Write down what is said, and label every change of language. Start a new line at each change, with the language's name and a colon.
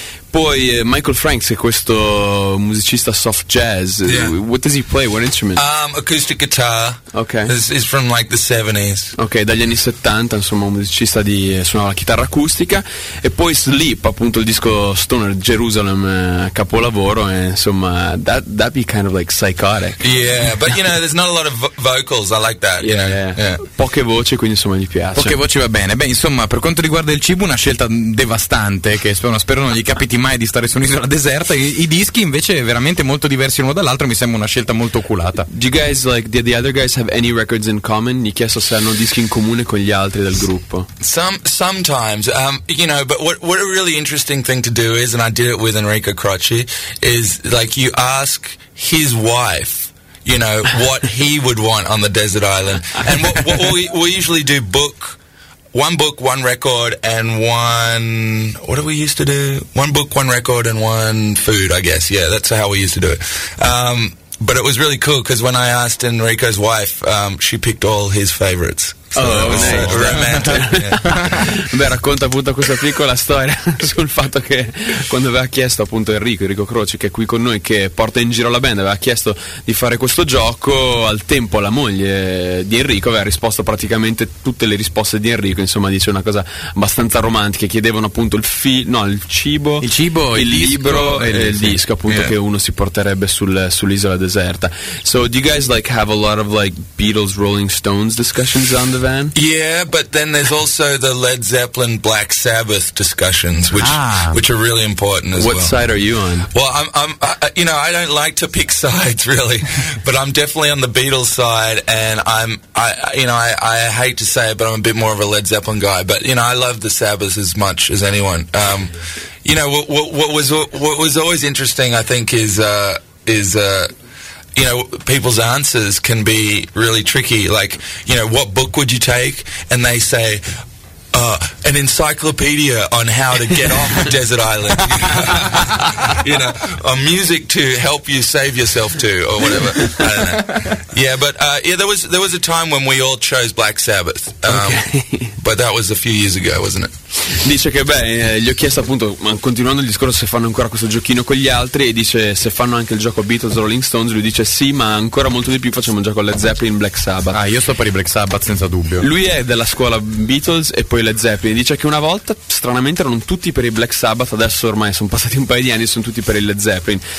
Italian: Poi Michael Franks, questo musicista soft jazz.
English: Yeah. What does he play? What instrument? Acoustic guitar. Okay. It's from like the 70s.
Italian: Okay, dagli anni 70, insomma, un musicista di suonava la chitarra acustica. E poi Sleep, appunto, il disco Stoner, Jerusalem, capolavoro. E, insomma,
English: that'd be kind of like psychotic. Yeah, but you know, there's not a lot of vocals. I like that. Yeah, you know? Yeah.
Italian: Poche voci, quindi insomma gli piace. Poche voci va bene. Beh, insomma, per quanto riguarda il cibo, una scelta devastante che spero non gli capiti mai di stare su un'isola deserta. I dischi invece veramente molto diversi l'uno dall'altro, mi sembra una scelta molto oculata.
English: Do you guys like, did the other guys have any records in common?
Italian: Gli chiesto se hanno dischi in comune con gli altri del gruppo.
English: Sometimes you know, but what a really interesting thing to do is, and I did it with Enrico Crocci, is like you ask his wife, you know, what he would want on the desert island. And what we usually do, one book, one record, and one food, I guess. Yeah, that's how we used to do it. But it was really cool, because when I asked Enrico's wife, she picked all his favorites. Romantic.
Italian: Beh, racconta appunto questa piccola storia sul fatto che quando aveva chiesto appunto Enrico Croci, che è qui con noi, che porta in giro la band, aveva chiesto di fare questo gioco, al tempo la moglie di Enrico aveva risposto praticamente tutte le risposte di Enrico, insomma dice una cosa abbastanza romantica, chiedevano appunto il cibo, il libro e il disco appunto, yeah, che uno si porterebbe sull'isola deserta.
English: So do you guys like have a lot of like Beatles, Rolling Stones discussions on the van? Yeah, but then there's also the Led Zeppelin, Black Sabbath discussions, which are really important as well. What side are you on? Well, I'm I don't like to pick sides really, but I'm definitely on the Beatles side, and I hate to say it, but I'm a bit more of a Led Zeppelin guy. But you know, I love the Sabbath as much as anyone. You know, what was always interesting, I think, is people's answers can be really tricky. Like, you know, what book would you take? And they say, an encyclopedia on how to get off a desert island. You know, a music to help you save yourself to, or whatever. I don't know. Yeah, but there was a time when we all chose Black Sabbath. Okay. But that was a few years ago, wasn't it?
Italian: Dice che gli ho chiesto appunto, continuando il discorso, se fanno ancora questo giochino con gli altri, e dice se fanno anche il gioco Beatles, Rolling Stones. Lui dice sì, ma ancora molto di più facciamo già con Led Zeppelin, Black Sabbath. Ah, io sto per i Black Sabbath senza dubbio. Lui è della scuola Beatles e poi Led Zeppelin. Dice che una volta stranamente erano tutti per i Black Sabbath, adesso ormai sono passati un paio di anni e sono tutti per i Led Zeppelin.